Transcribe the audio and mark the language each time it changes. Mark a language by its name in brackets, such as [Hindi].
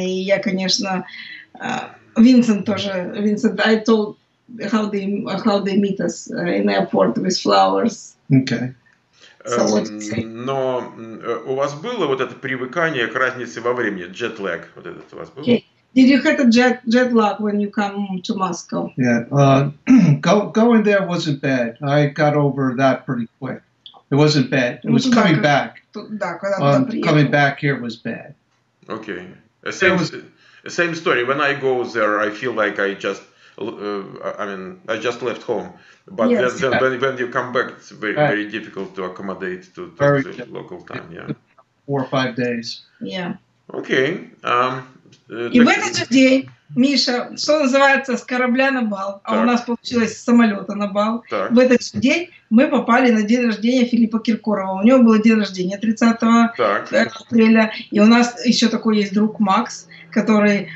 [Russian] И я, конечно, Винсент тоже, Винсент, [English] I told how they meet us in the airport with flowers. Okay. [Russian] Но у вас было вот это привыкание к разнице во времени, jet lag, вот этот у вас был? [English] Did you have a jet lag when you come to Moscow? Yeah, going there wasn't bad. I got over that pretty quick. It wasn't bad. It was coming back. [Russian] Да, когда туда приехал. [English] Coming back here was bad. Okay. Same story. When I go there, I feel like I just, I just left home. But yes, then, when you come back, it's very, very difficult to accommodate to the local time. Yeah. 4 or 5 days. Yeah. Okay. [Russian] И в этот же день, Миша, что называется, с корабля на бал, а у нас получилось с самолета на бал. В этот же день мы попали на день рождения Филиппа Киркорова. У него было день рождения 30 апреля. И у нас еще такой есть друг Макс, который...